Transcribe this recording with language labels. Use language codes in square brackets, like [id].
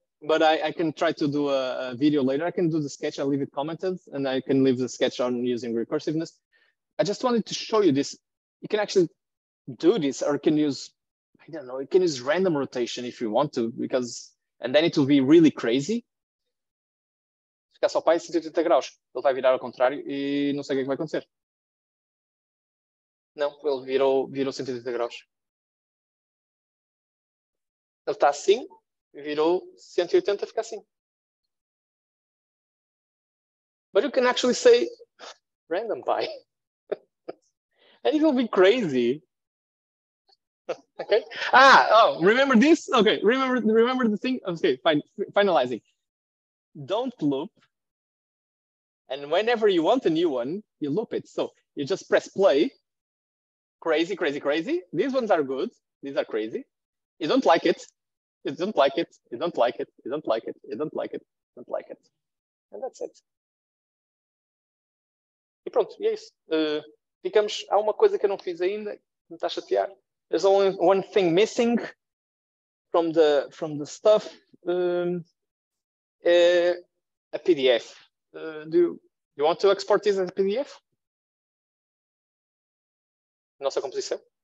[en] but I can try to do a video later. I can do the sketch, I'll leave it commented, and I can leave the sketch on using recursiveness. I just wanted to show you this. You can actually do this or can use, I don't know, you can use random rotation if you want to, because, and then it will be really crazy. [pt] Ficar só pi 180 graus. Ele vai virar ao contrário e não sei o que vai acontecer. Não, ele virou 180 graus. Ele está assim, virou 180, fica assim. [en] But you can actually say random pi. And it will be crazy. Okay. Ah, oh, remember this? Okay, remember the thing? Okay, fine. Finalizing. Don't loop. And whenever you want a new one, you loop it. So you just press play. Crazy, crazy, crazy. These ones are good. These are crazy. You don't like it. You don't like it. You don't like it. You don't like it. You don't like it. You don't like it. And that's it. [pt] E pronto, e é isso. Ficamos, há uma coisa que eu não fiz ainda, me está a chatear. [en] There's only one thing missing from the stuff, a PDF. Do you want to export this as a PDF? [pt] Nossa composição?